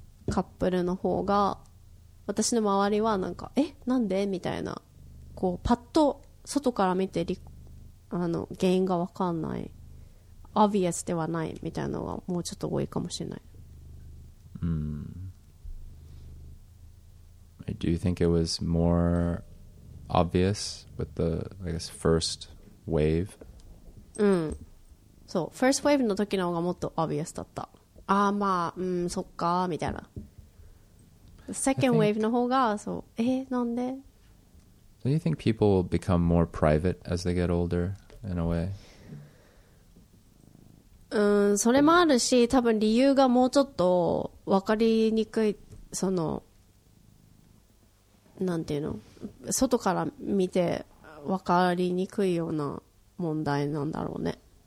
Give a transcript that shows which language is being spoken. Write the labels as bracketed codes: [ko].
[ja] カップルの方が私の周りはなんか、えなんでみたいな、こうパッと外から見てあの原因が分かんない、オビエスではないみたいなのがもうちょっと多いかもしれない。 Mm. [en] Do you think it was more obvious with the, I guess, first wave? [ja] うん。そう、 [en] first wave [ja] の時の方がもっとオビエスだった。ああ、まあ、うん、そっか、みたいな。 [en] second wave [ja] の方が、そう、なんで？ [en] Do you think people will become more private as they get older, in a way? [ja] うん、それもあるし、多分理由がもうちょっと分かりにくい、そのなんていうの、外から見て分かりにくいような問題なんだろうね。うん、